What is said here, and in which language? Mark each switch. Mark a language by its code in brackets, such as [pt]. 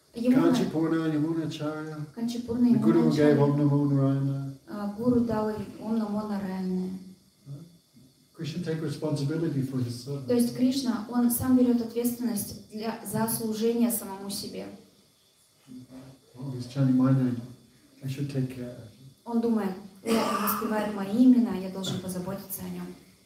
[ru] Канчипурна, Ямуначарья. Канчипурна, Ямуначарья. Гуру дал Ом Намо Нараяне. [en] Krishna takes responsibility for his servant. [ru] То есть Кришна, он сам берет ответственность для за служение самому себе. [en] Oh, he's chanting my name. I should take care. [ru] Он думает, он воспевает мои имена, я должен позаботиться о нем.